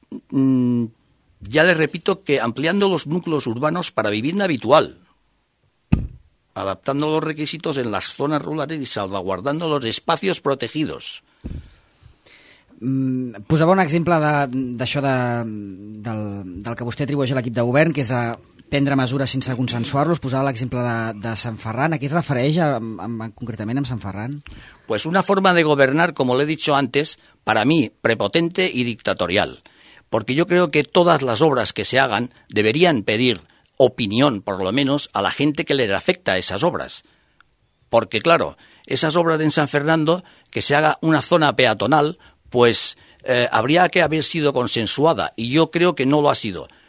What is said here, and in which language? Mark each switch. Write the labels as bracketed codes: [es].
[es] Ya les repito que ampliando los núcleos urbanos para vivienda habitual, adaptando los requisitos en las zonas rurales y salvaguardando los espacios protegidos. [ca] Posava un exemple d'això del que vostè atribueix a l'equip de govern, que és de prendre mesures sense consensuar-los. Posava l'exemple de Sant Ferran. A què es refereix concretament amb Sant Ferran? [es] Pues una forma de governar, como le he dicho antes, para mí, prepotente y dictatorial. Porque yo creo que todas las obras que se hagan deberían pedir opinión, por lo menos, a la gente que le afecta esas obras. Porque, claro, esas obras en San Fernando, que se haga una zona peatonal, pues habría que haber sido consensuada, y yo creo que no lo ha sido.